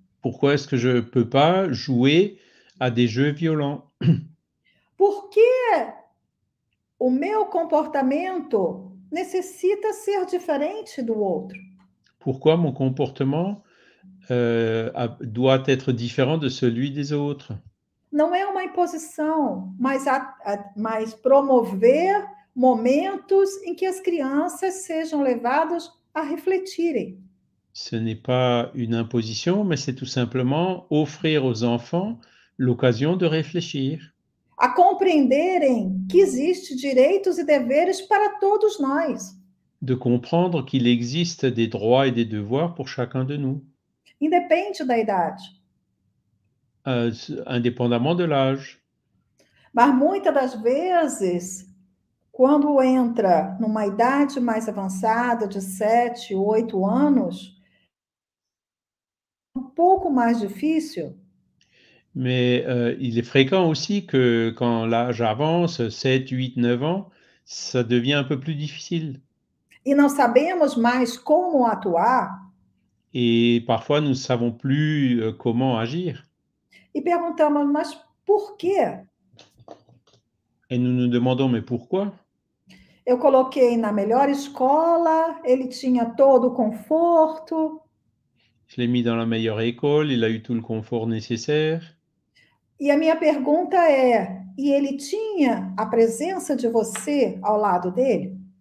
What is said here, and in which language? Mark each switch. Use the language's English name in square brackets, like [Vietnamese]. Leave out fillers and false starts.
[French] Pourquoi est-ce que je peux pas jouer à des jeux violents? [Portuguese] Por que o meu comportamento necessita ser diferente do outro? [French] Pourquoi mon comportement doit être différent de celui des autres? [Portuguese] Não é uma imposição, mas promover momentos em que as crianças sejam levadas a refletirem. [French] Ce n'est pas une imposition, mais c'est tout simplement offrir aux enfants l'occasion de réfléchir. [Portuguese] A compreenderem que existem direitos e deveres para todos nós. [French] De comprendre qu'il existe des droits et des devoirs pour chacun de nous. [Portuguese] Independe da idade. [French] Indépendamment de l'âge. [Portuguese] Mas muitas das vezes, quando entra numa idade mais avançada, de 7, 8 anos, é um pouco mais difícil. [French] Mais il est fréquent aussi que quand l'âge avance, 7, 8, 9 ans, ça devient un peu plus difficile. [Portuguese] E não sabemos mais como atuar. [French] E parfois nous ne savons plus comment agir. [Portuguese] E perguntamos, mas por quê? [French] E nous nous demandons, mais pourquoi? [Portuguese] Eu coloquei na melhor escola, ele tinha todo o conforto. [French] Je l'ai mis dans la meilleure école, il a eu tout le confort nécessaire. [Portuguese] E a minha pergunta é, e ele tinha a presença de você ao lado dele?